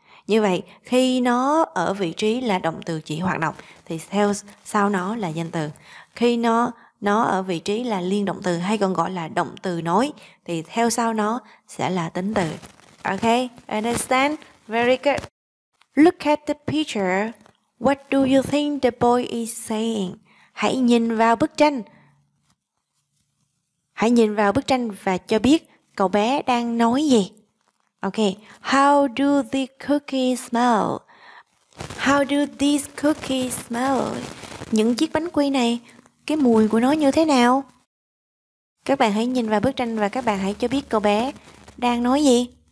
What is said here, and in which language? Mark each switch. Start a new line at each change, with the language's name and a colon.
Vietnamese: Như vậy khi nó ở vị trí là động từ chỉ hoạt động thì theo sau nó là danh từ. Khi nó ở vị trí là liên động từ, hay còn gọi là động từ nói, thì theo sau nó sẽ là tính từ.
English: Ok, understand? Very good. Look at the picture. What do you think the boy is saying?
Vietnamese: Hãy nhìn vào bức tranh. Hãy nhìn vào bức tranh và cho biết cậu bé đang nói gì.
English: Ok, how do the cookie smell? How do these cookies smell?
Vietnamese: Những chiếc bánh quy này, cái mùi của nó như thế nào? Các bạn hãy nhìn vào bức tranh và các bạn hãy cho biết cậu bé đang nói gì.